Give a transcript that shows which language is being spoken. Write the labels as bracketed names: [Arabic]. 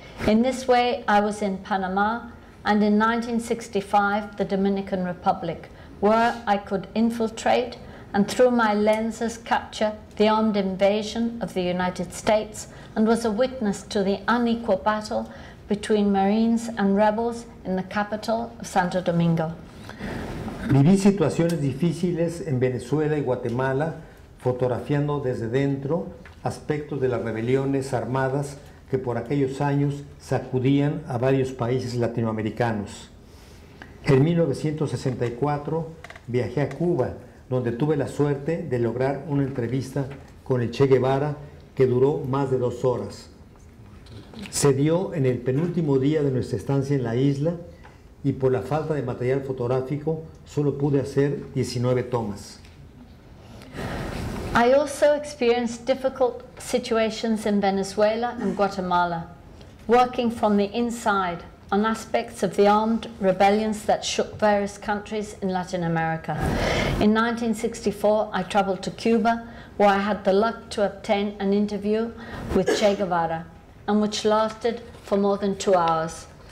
[English] In this way, I was in Panama and in 1965, the Dominican Republic, where I could infiltrate and through my lenses capture the armed invasion of the United States and was a witness to the unequal battle between Marines and rebels in the capital of Santo Domingo. [Spanish] Viví situaciones difíciles en Venezuela y Guatemala, fotografiando desde dentro aspectos de las rebeliones armadas que por aquellos años sacudían a varios países latinoamericanos. En 1964 viajé a Cuba, donde tuve la suerte de lograr una entrevista con el Che Guevara que duró más de 2 horas. Se dio en el penúltimo día de nuestra estancia en la isla y por la falta de material fotográfico solo pude hacer 19 tomas. [English] I also experienced difficult situations in Venezuela and Guatemala, working from the inside on aspects of the armed rebellions that shook various countries in Latin America. In 1964, I traveled to Cuba, where I had the luck to obtain an interview with Che Guevara, and which lasted for more than 2 hours.